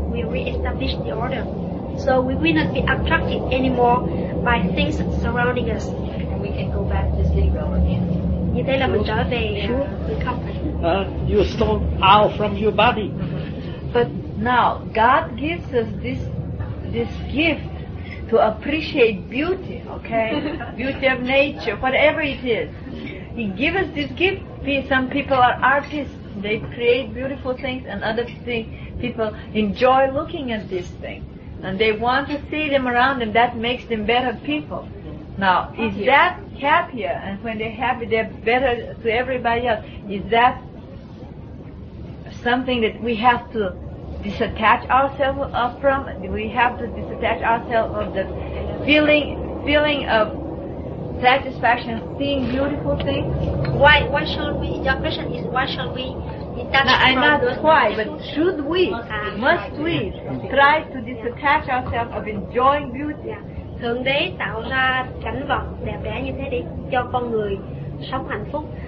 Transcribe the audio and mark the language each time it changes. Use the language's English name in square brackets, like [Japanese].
[English] We reestablish the order, so we will not be attracted anymore by things surrounding us. And we can go back to zero again. [Vietnamese] Như thế là mình trở về không. [English] You stole out from your body. But now God gives us this gift to appreciate beauty, okay? Beauty of nature, whatever it is. He gives us this gift. Some people are artists, they create beautiful things, and other people enjoy looking at these things. And they want to see them around them, that makes them better people. Now, is that happier, and when they're happy, they're better to everybody else? Is that something that we have to disattach ourselves from? We have to disattach ourselves of the feeling of satisfaction, seeing beautiful things? Why should we, your question is, why should we detach from those? Not why, but should we, must we try to disattach ourselves of enjoying beauty? [Vietnamese] Thượng Đế tạo ra cảnh vật đẹp đẽ như thế để cho con người sống hạnh phúc.